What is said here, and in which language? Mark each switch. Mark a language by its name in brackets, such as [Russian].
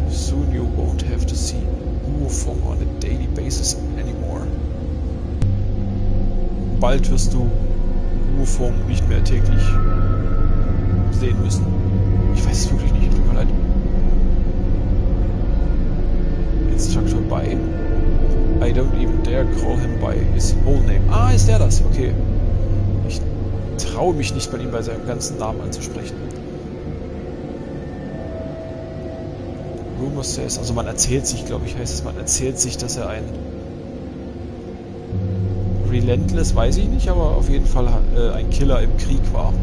[English] Soon you won't have to see Fong on a daily basis anymore. [German] Bald wirst du Fong nicht mehr täglich sehen müssen. Ich weiß es wirklich nicht, tut mir leid. [English] Instructor Bai. I don't even dare call him by his whole name. [German] Ah, ist der das? Okay. Ich traue mich nicht, bei ihm bei seinem ganzen Namen anzusprechen. [English] Rumors says, [German] also man erzählt sich, glaube ich, heißt es, man erzählt sich, dass er ein Relentless, weiß ich nicht, aber auf jeden Fall ein Killer im Krieg war.